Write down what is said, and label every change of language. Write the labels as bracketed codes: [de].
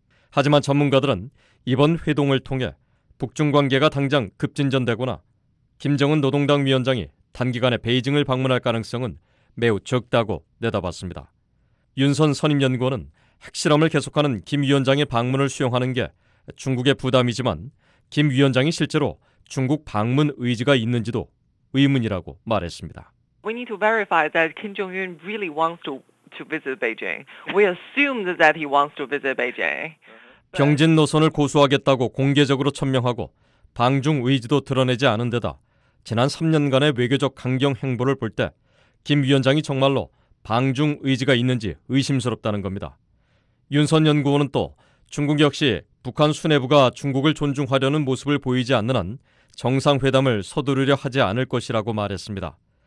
[ko] 하지만 전문가들은 이번 회동을 통해 북중 관계가 당장 급진전되거나 김정은 노동당 위원장이 단기간에 베이징을 방문할 가능성은 매우 적다고 내다봤습니다. 윤선 선임연구원은 핵실험을 계속하는 김 위원장의 방문을 수용하는 게 중국의 부담이지만 김 위원장이 실제로 중국 방문 의지가 있는지도 의문이라고 말했습니다. [en] We need to verify that Kim Jong-un really wants to visit Beijing. We assume that he wants to visit Beijing. [ko] 병진 노선을 고수하겠다고 공개적으로 천명하고 방중 의지도 드러내지 않은 데다 지난 3년간의 외교적 강경 행보를 볼 때 김 위원장이 정말로 방중 의지가 있는지 의심스럽다는 겁니다. 윤선 연구원은 또 중국 역시 북한 수뇌부가 중국을 존중하려는 모습을 보이지 않는 한 정상회담을 서두르려 하지 않을 것이라고 말했습니다.